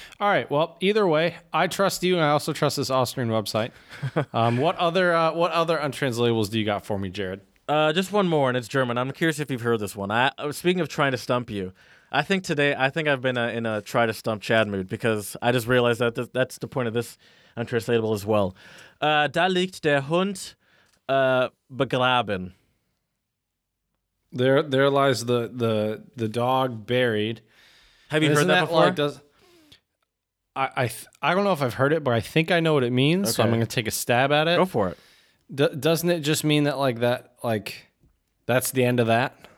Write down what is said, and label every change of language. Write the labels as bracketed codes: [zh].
[en] All right, well, either way, I trust you, and I also trust this Austrian website. what other untranslatables do you got for me, Jared? Just one more, and it's German. I'm curious if you've heard this one. Speaking of trying to stump you, I think I've been in a try-to-stump-Chad mood, because I just realized that that's the point of this untranslatable as well. [de] Da liegt der Hund begraben. [en] There lies the dog buried. Have you heard that before? Like, I don't know if I've heard it, but I think I know what it means, okay. So I'm going to take a stab at it. Go for it. Doesn't it just mean that that's the end of that?